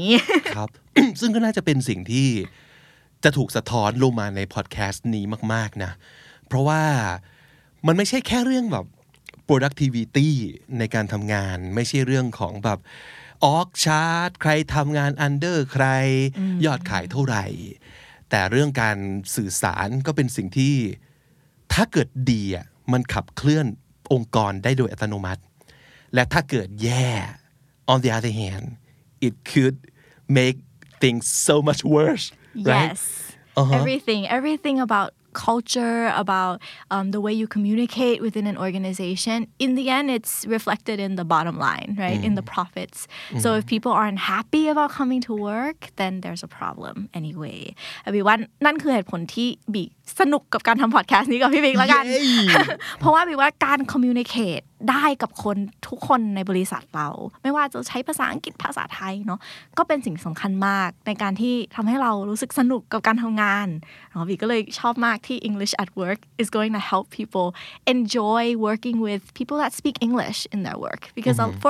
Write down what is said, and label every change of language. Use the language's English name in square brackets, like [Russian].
[Thai] ครับ ซึ่งก็น่าจะเป็นสิ่งที่จะถูกสะท้อนลงมาใน podcast นี้มากๆนะเพราะว่ามันไม่ใช่แค่เรื่องแบบproductivity ในการทำงานไม่ใช่เรื่องของแบบออกชาร์ตใครทำงานอันเดอร์ใครยอดขายเท่าไหร่แต่เรื่องการสื่อสารก็เป็นสิ่งที่ ถ้าเกิดดีอ่ะมันขับเคลื่อนองค์กรได้โดยอัตโนมัติและถ้าเกิดแย่ [English] on the other hand it could make things so much worse yes right? uh-huh. everything aboutculture about the way you communicate within an organization in the end it's reflected in the bottom line right mm. in the profits mm. so if people aren't happy about coming to work then there's a problem anyway everyone [Thai] นั่นคือเหตุผลที่บิ๊กสนุกกับการทำพอดแคสต์นี้กับพี่บิ๊กแล้วกันเพราะว่าบิ๊กว่าการ communicate ได้กับคนทุกคนในบริษัทเราไม่ว่าจะใช้ภาษาอังกฤษภาษาไทยเนาะก็เป็นสิ่งสำคัญมากในการที่ทำให้เรารู้สึกสนุกกับการทำงานบีก็เลยชอบมากที่ [English] English at work is going to help people enjoy working with people that speak English in their work because mm-hmm.